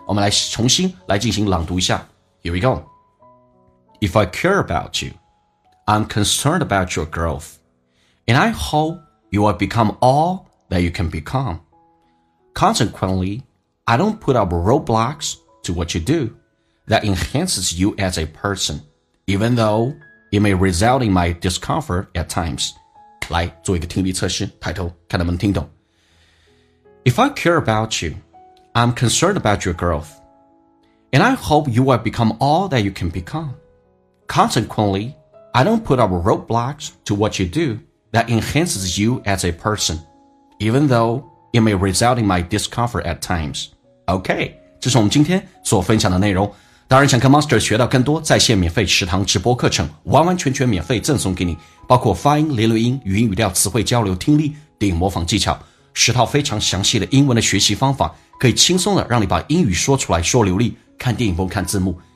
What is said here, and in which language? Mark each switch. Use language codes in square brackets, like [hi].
[zh] 我们来重新来进行朗读一下。 [en] Here we go. If I care about you, I'm concerned about your growth. And I hope you will become all that you can become. Consequently, I don't put up roadblocks to what you do that enhances you as a person, even though it may result in my discomfort at times. [zh] 来做一个听力测试，抬头看能不能听懂。 [en] If I care about you, I'm concerned about your growth, and I hope you will become all that you can become. Consequently, I don't put up roadblocks to what you do that enhances you as a person, even though it may result in my discomfort at times. [zh] OK, 这是我们今天所分享的内容。当然想跟 Master 学到更多在线免费食堂直播课程，完完全全免费赠送给你，包括发音、连读音、语音语调、词汇交流、听力、电影模仿技巧，十套非常详细的英文的学习方法，可以轻松的让你把英语说出来说流利，看电影不用看字幕。